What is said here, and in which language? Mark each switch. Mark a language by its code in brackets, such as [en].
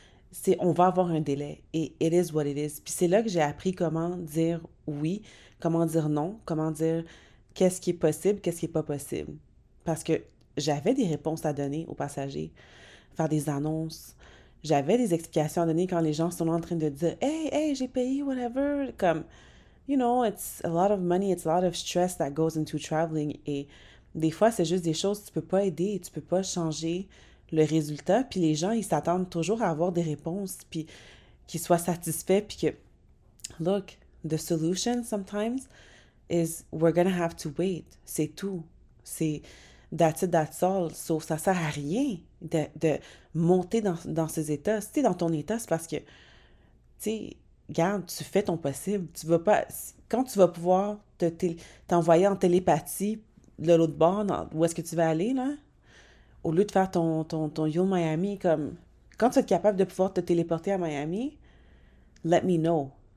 [fr] c'est on va avoir un délai et [en] it is what it is. [fr] Puis c'est là que j'ai appris comment dire oui, comment dire non, comment dire qu'est-ce qui est possible, qu'est-ce qui n'est pas possible. Parce que j'avais des réponses à donner aux passagers, faire des annonces. J'avais des explications à donner quand les gens sont en train de dire Hey, j'ai payé, whatever. [en] Comme, you know, it's a lot of money, it's a lot of stress that goes into traveling. [fr] Et des fois, c'est juste des choses que tu peux pas aider, tu peux pas changer le résultat. Puis les gens, ils s'attendent toujours à avoir des réponses, puis qu'ils soient satisfaits. Puis que, [en] look, the solution sometimes is we're gonna have to wait. [fr] C'est tout. C'est. [en] That's it, that's all. [fr] Sauf, ça sert à rien de monter dans ces états. Si t'es dans ton état, c'est parce que, tu sais, regarde, tu fais ton possible. Tu vas pas, quand tu vas pouvoir t'envoyer en télépathie de l'autre bord, où est-ce que tu vas aller, là, au lieu de faire ton Yo Miami, comme, quand tu es capable de pouvoir te téléporter à Miami, [en] let me know.